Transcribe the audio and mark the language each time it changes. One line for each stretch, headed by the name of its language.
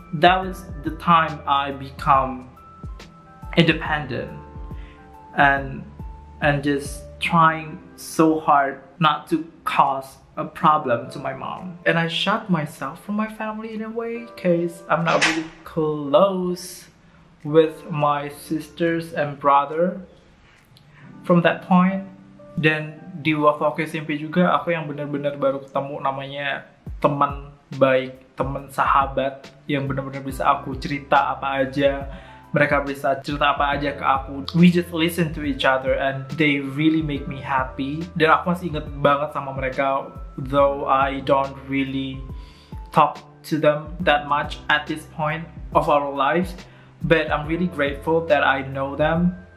English: That was the time I become independent and just trying so hard not to cause a problem to my mom. And I shut myself from my family in a way, because I'm not really close with my sisters and brother from that point.
Indonesian: Dan di waktu aku SMP juga, aku yang benar-benar baru ketemu namanya teman baik, teman sahabat yang benar-benar bisa aku cerita apa aja, mereka bisa cerita apa aja ke aku.
English: We just listen to each other and they really make me happy.
Indonesian: Dan aku masih inget banget sama mereka,
English: though I don't really talk to them that much at this point of our lives, but I'm really grateful that I know them.